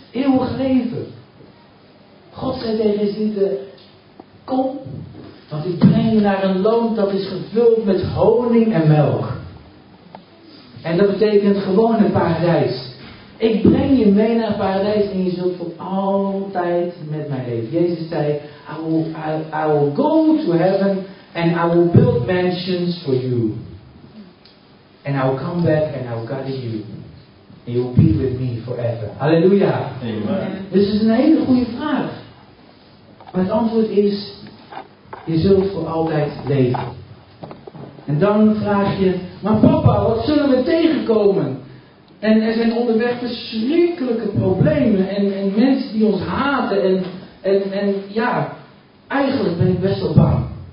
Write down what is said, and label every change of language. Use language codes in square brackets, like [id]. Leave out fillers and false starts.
[nl] Eeuwig leven. God zei tegen zitten. Kom. Want ik breng je naar een land dat is gevuld met honing en melk. En dat betekent gewoon een paradijs. Ik breng je mee naar het paradijs en je zult voor altijd met mij leven. Jezus zei, [en] I will go to heaven and I will build mansions for you. And I will come back and I will gather you. And you will be with me forever. Halleluja. Amen. [nl] Dus het is een hele goede vraag. Maar het antwoord is, je zult voor altijd leven. En dan vraag je, maar papa, wat zullen we tegenkomen? En er zijn onderweg verschrikkelijke problemen en mensen die ons haten en ja, eigenlijk ben ik best wel bang.